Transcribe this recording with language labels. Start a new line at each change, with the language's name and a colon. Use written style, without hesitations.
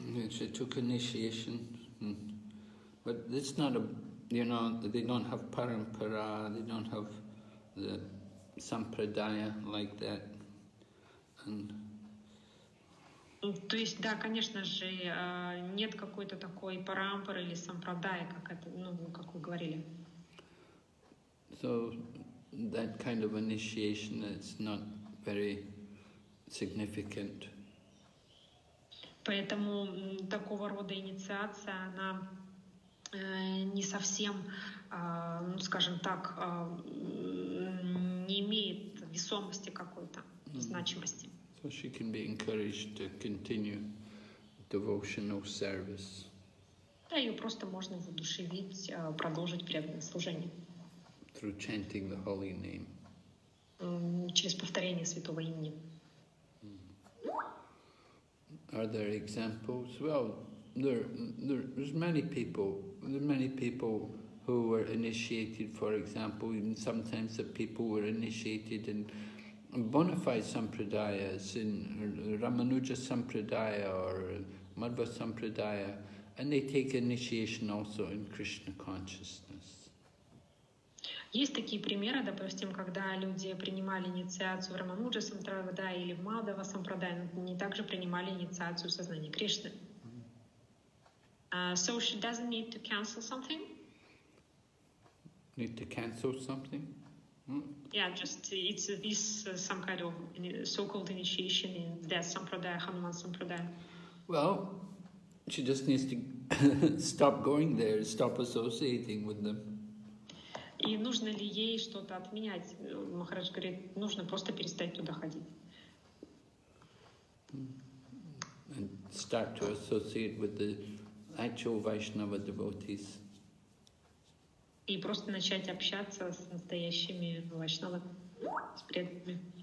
English: She took initiation, but it's not a, you know, they don't have parampara, they don't have the sampradaya like that.
Russian: То есть, да, конечно же, нет какой-то такой парампары или сампрадая, как это, как вы говорили.
English: So that kind of initiation is not very significant.
Russian: Поэтому такого рода инициация, она не совсем, не имеет весомости какой-то, значимости.
English: So she can be encouraged to continue devotional service.
Russian: Да, ее просто можно воодушевить, продолжить преданное служение.
English: Through chanting the holy name.
Russian: Через повторение святого имени.
English: Are there examples? Well, there's many people who were initiated, for example, and sometimes the people were initiated in bona fide sampradayas, in Ramanuja sampradaya or Madhva sampradaya, and they take initiation also in Krishna consciousness.
Russian: Есть такие примеры, допустим, когда люди принимали инициацию в Рамануджа Сампрадая или в Мадхава Сампрадая, но они также принимали инициацию в сознании Кришны.
English: So she doesn't need to cancel something? Need to cancel something? Yeah, just it's this some kind of so-called initiation in death sampradaya, Hanuman sampradaya. Well, she just needs to stop going there, stop associating with them.
Russian: И нужно ли ей что-то отменять? Махарадж говорит, нужно просто перестать туда ходить.
English: And start to associate with the actual Vaishnava devotees.
Russian: И просто начать общаться с настоящими Вайшнава, с преданными.